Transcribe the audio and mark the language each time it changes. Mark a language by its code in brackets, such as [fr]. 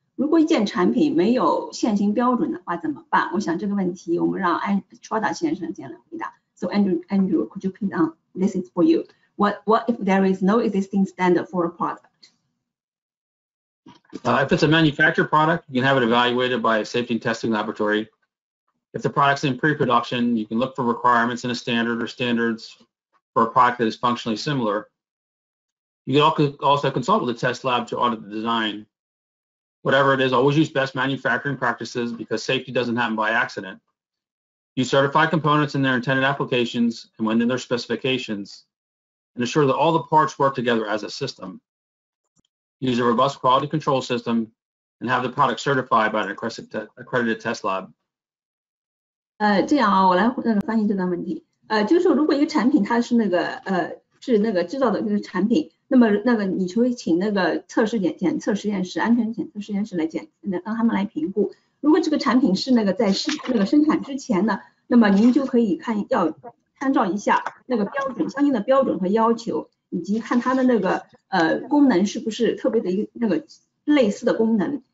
[zh] 如果一件产品没有现行标准的话怎么办？我想这个问题我们让 Trotta 先生先来回答。 [en] So Andrew, could you please this is for you. What if there is no existing standard for a product? If it's a manufactured product, you can have it evaluated by a safety and testing laboratory. If the product's in pre-production, you can look for requirements in a standard or standards. For a product that is functionally similar. You can also consult with a test lab to audit the design. Whatever it is, always use best manufacturing practices because safety doesn't happen by accident. Use certified components in their intended applications and when in their specifications, and ensure that all the parts work together as a system. Use a robust quality control system and have the product certified by an accredited test lab. [zh] 这样啊，我来翻译这段问题。就是说如果一个产品它是那个是那个制造的这个产品，那么那个你就会请那个测试检测实验室、安全检测实验室来检，让他们来评估。如果这个产品是那个在那个生产之前呢，那么您就可以看要参照一下那个标准，相应的标准和要求，以及看它的那个功能是不是特别的一个那个类似的功能。